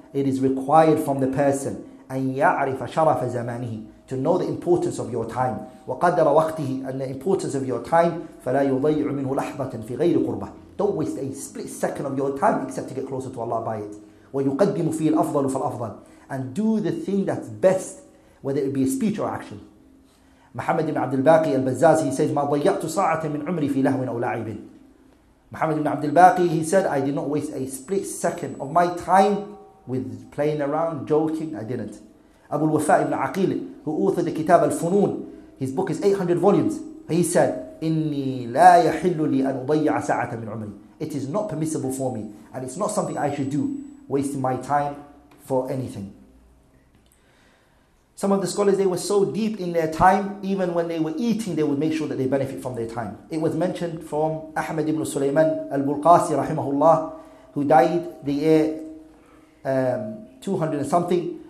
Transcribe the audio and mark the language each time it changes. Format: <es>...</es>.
<en>It is required from the person,</en> <ar>أَنْ يَعْرِفَ شَرَفَ زَمَانِهِ,</ar> <en>to know the importance of your time.</en> <ar>وَقَدَّرَ وَقْتِهِ,</ar> <en>and the importance of your time.</en> <ar>فَلَا يُضَيْعُ مِنْهُ لَحْظَةً فِي غَيْرِ قُرْبَةٍ.</ar> <en>Don't waste a split second of your time except to get closer to Allah by it.</en> <ar>وَيُقَدِّمُ فِي الْأَفْضَلُ فَالْأَفْضَلُ,</ar> <en>and do the thing that's best, whether it be a speech or action.</en> <ar>Muhammad ibn Abdul Baqi al-Bazzaz,</ar> <en>he says,</en> <ar>مَا ضَيَّعْتُ صَاعَةً مِنْ عُمْرِي فِي لَهْوٍ أَوْ لَعِبٍ.</ar> <en>Muhammad ibn Abdul Baqi, he said, I did not waste a split second of my time with playing around, joking, I didn't. Abu al-Wafa ibn Aqil, who authored the Kitab al-Funun, his book is 800 volumes. He said,</en> <ar>إِنِّي لَا يَحِلُّ لِي أَنْ أُضَيَّعَ سَاعَةً مِنْ عُمْرِي.</ar> <en>It is not permissible for me, and it's not something I should do, wasting my time for anything. Some of the scholars, they were so deep in their time, even when they were eating, they would make sure that they benefit from their time. It was mentioned from Ahmad ibn Sulayman al-Bulqasi, rahimahullah, who died the year 200 and something.</en>